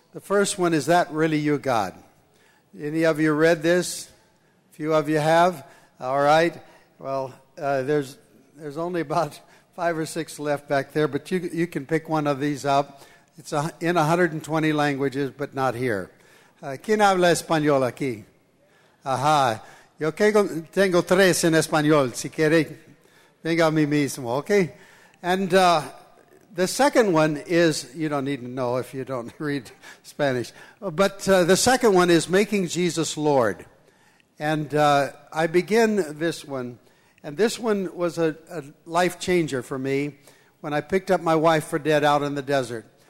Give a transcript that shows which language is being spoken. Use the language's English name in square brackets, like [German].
[English] The first one is That Really You, God. Any of you read this? A few of you have? All right. Well, there's only about 5 or 6 left back there, but you can pick one of these up. It's in 120 languages, but not here. [Spanish] ¿Quién habla español aquí? Ajá. Yo tengo 3 en español, si quiere, venga a mí mismo, okay? [English] And the second one is, you don't need to know if you don't read Spanish, but the second one is Making Jesus Lord. And I begin this one, and this one was a life changer for me when I picked up my wife for dead out in the desert.